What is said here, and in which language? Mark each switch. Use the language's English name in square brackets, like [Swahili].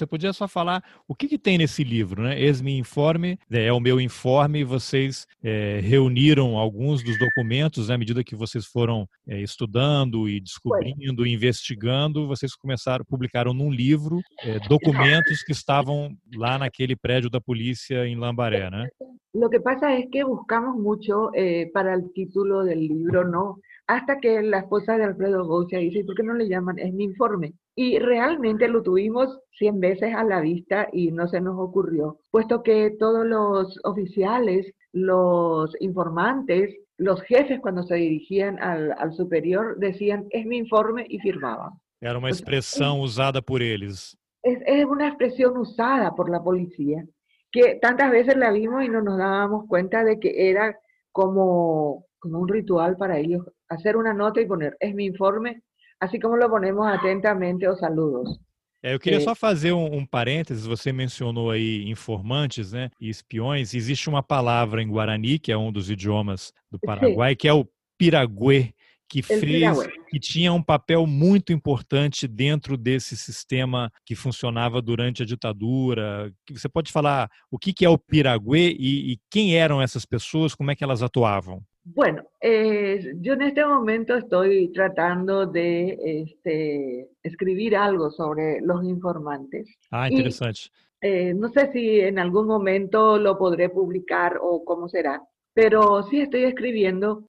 [Portuguese] Você podia só falar o que tem nesse livro, né? Esse informe, é o meu informe, vocês reuniram alguns dos documentos, né? À medida que vocês foram estudando e descobrindo, bueno, investigando, vocês publicaram num livro documentos que estavam lá naquele prédio da polícia em Lambaré, né? [Spanish] Lo que pasa es que buscamos mucho para el título del libro, ¿no? Hasta que la esposa de Alfredo Gómez dice, ¿por qué no le llaman? Es mi informe. Y realmente lo tuvimos 100 veces a la vista y no se nos ocurrió, puesto que todos los oficiales, los informantes, los jefes cuando se dirigían al superior decían, es mi informe, y firmaban. Era una expresión usada por ellos. Es una expresión usada por la policía, que tantas veces la vimos y no nos dábamos cuenta de que era como un ritual para ellos, hacer una nota y poner, es mi informe, así como lo ponemos atentamente o saludos. [Portuguese] Eu queria só fazer um parênteses, você mencionou aí informantes, né, e espiões, existe uma palavra em Guarani, que é um dos idiomas do Paraguai, sim, que é o piragüê, que fez, que tinha um papel muito importante dentro desse sistema que funcionava durante a ditadura. Você pode falar o que é o piragüê e quem eram essas pessoas, como é que elas atuavam? [Spanish] Bueno, yo en este momento estoy tratando de escribir algo sobre los informantes. Ah, interesante. No sé si en algún momento lo podré publicar o cómo será, pero sí estoy escribiendo.